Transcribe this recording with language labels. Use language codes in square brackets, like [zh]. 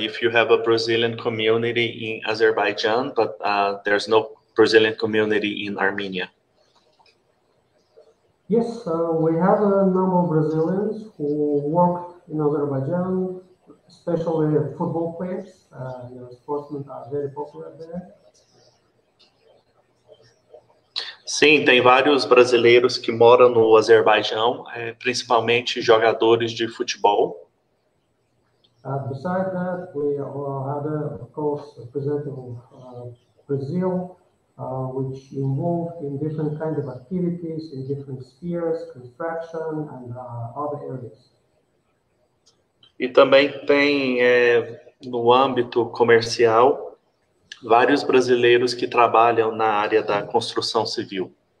[en] If you have a Brazilian community in Azerbaijan, but there's no Brazilian community in Armenia. Yes, we have a number of Brazilians who work in Azerbaijan, especially football players. You know, sportsmen are very popular there. [pt] Sim, tem vários brasileiros que moram no Azerbaijão, principalmente jogadores de futebol. [en] Besides that, we had, of course, a representative of Brazil, which involved in different kinds of activities, in different spheres, construction and other areas. [pt] E também tem, no âmbito comercial, vários brasileiros que trabalham na área da construção civil.